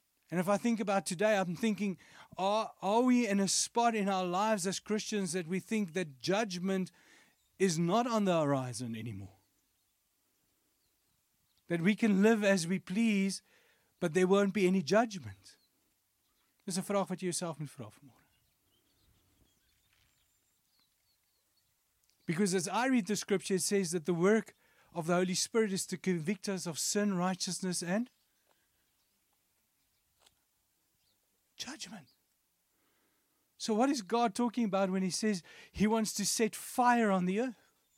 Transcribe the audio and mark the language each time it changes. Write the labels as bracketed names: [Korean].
[English] And if I think about today, I'm thinking, are we in a spot in our lives as Christians that we think that judgment is not on the horizon anymore? That we can live as we please, but there won't be any judgment. [Afrikaans] Dis 'n vraag wat jy jouself moet vra vanmôre. [English] Because as I read the scripture, it says that the work of the Holy Spirit is to convict us of sin, righteousness, and judgment. So what is God talking about when he says he wants to set fire on the earth?